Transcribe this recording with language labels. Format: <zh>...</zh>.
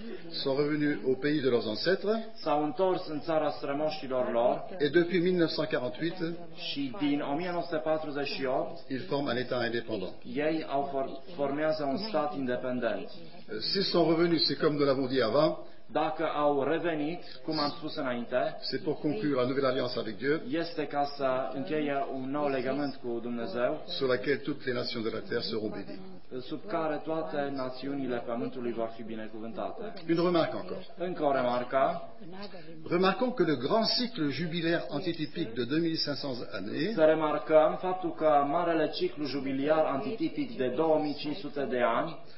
<fr>sont revenus au pays de leurs ancêtres,</fr> <ro>s-au întors în țara strămoșilor lor,</ro> <fr>et depuis 1948,</fr> <ro>și din 1948,</ro> <fr>ils forment un état indépendant.</fr> <ro>Ei au formează un stat independent.</ro> <fr>S'ils sont revenus, c'est comme nous l'avons dit avant,</fr> <ro>dacă au revenit, cum am spus înainte,</ro> <fr>c'est pour conclure la nouvelle alliance avec Dieu,</fr> <ro>este ca să încheie un nou legământ cu Dumnezeu,</ro> <fr>sur laquelle toutes les nations de la terre seront bénies.</fr> <ro>Sub care toate națiunile pământului vor fi binecuvântate.</ro> <fr>Une remarque encore.</fr> <ro>Încă o remarcă.</ro> <fr>Remarquons que le grand cycle jubilaire antitypique de 2500 années.</fr> <ro>Să remarcăm faptul că marele ciclu jubiliar antitipic de 2500 de ani</ro>